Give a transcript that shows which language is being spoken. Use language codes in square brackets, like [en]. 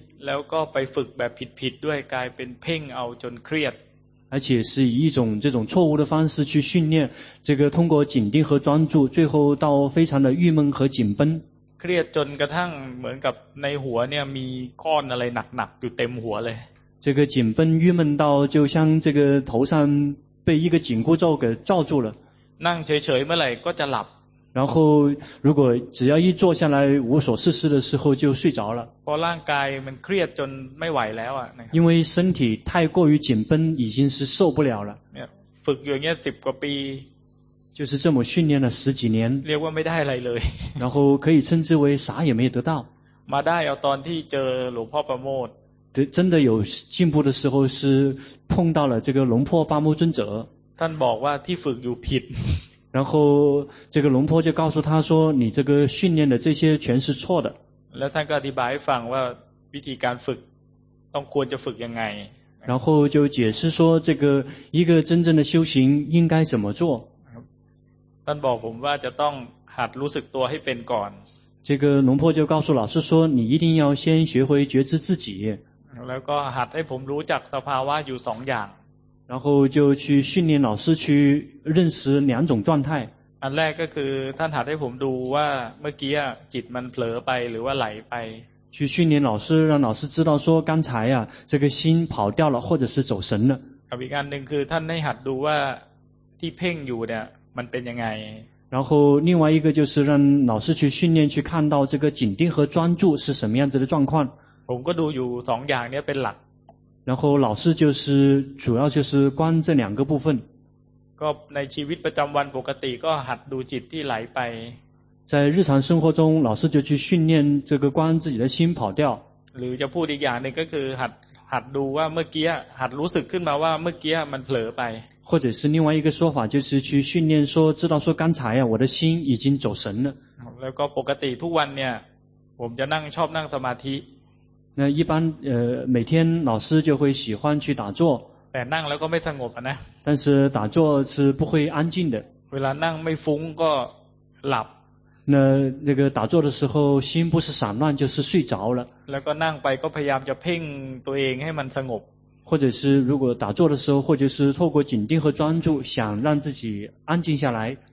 [th] แล้วก็ไปฝึกแบบผิดด้วยกลายเป็นเพ่งเอาจนเครียด [zh] 而且是以一种这种错误的方式去训练这个通过紧盯和专注最后到非常的郁闷和紧绷 [th] เครียดจนกระทั่งเหมือนกับในหัวเนี่ยมีก้อนอะไรหนักๆอยู่เต็มหัวเลย [zh] 这个紧绷郁闷到就像这个头上被一个紧箍咒给罩住了 [th] นั่งเฉยๆเมื่อไหร่ก็จะหลับ [zh] 然后如果只要一坐下来无所事事的时候就睡着了 [th] พอร่างกายมันเครียดจนไม่ไหวแล้วอ่ะ [zh] 因为身体太过于紧绷已经是受不了了 [th] ฝึกอย่างเงี้ย10กว่าปี [zh] 就是这么训练了十几年 [th] เรียกว่าไม่ได้อะไรเลย [zh] 然后可以称之为啥也没得到 [th] มาได้เอาตอนที่เจอหลวงพ่อประโมท [zh] 真的有进步的时候是碰到了这个龙破八木尊者 [th] ท่านบอกว่าที่ฝึกอยู่ผิด [zh] 然后这个龙婆就告诉他说你这个训练的这些全是错的 [th] แล้วท่านก็อธิบายให้ฟังว่าวิธีการฝึกต้องควรจะฝึกยังไง [zh] 然后就解释说这个一个真正的修行应该怎么做 [th] ท่านบอกผมว่าจะต้องหัดรู้สึกตัวให้เป็นก่อน [zh] 这个龙婆就告诉老师说你一定要先学会觉知自己 [th] แล้วก็หัดให้ผมรู้จักสภาวะอยู่2อย่าง [zh] 然后就去训练老师去认识两种状态 [th] อันแรกก็คือท่านหัดให้ผมดูว่าเมื่อกี้จิตมันเผลอไปหรือว่าไหลไป [zh] 去训练老师让老师知道说刚才啊这个心跑掉了或者是走神了 [th] อีกอันหนึ่งคือท่านให้หัดดูว่าที่เพ่งอยู่เนี่ยมันเป็นยังไง [zh] 然后另外一个就是让老师去训练去看到这个紧盯和专注是什么样子的状况 [th] ผมก็ดูอยู่สองอย่างเนี่ยเป็นหลัก [zh] 然后老师就是主要就是观这两个部分 [th] ก็ในชีวิตประจำวันปกติก็หัดดูจิตที่ไหลไป [zh] 在日常生活中老师就去训练这个观自己的心跑掉 [th] หรือจะพูดอีกอย่างนึงก็คือหัดดูว่าเมื่อกี้หัดรู้สึกขึ้นมาว่าเมื่อกี้มันเผลอไป [zh] 或者是另外一个说法，就是去训练说，知道说刚才呀，我的心已经走神了。 [th] แล้วก็ปกติทุกวันเนี่ย [zh] 我们就能 [th] ชอบนั่งสมาธิ。 [zh] 那一般每天老师就会喜欢去打坐。 [th] แต่นั่งแล้วก็ไม่สงบนะ。 [zh] 但是打坐是不会安静的。 [th] เวลานั่งไม่ฟุ้งก็หลับ。 [zh] 那个打坐的时候心不是散乱就是睡着了。 [th] แล้วก็นั่งไปก็พยายามจะเพ่งตัวเองให้มันสงบ。 [zh] 或者是如果打坐的时候，或者是透过紧盯和专注，想让自己安静下来。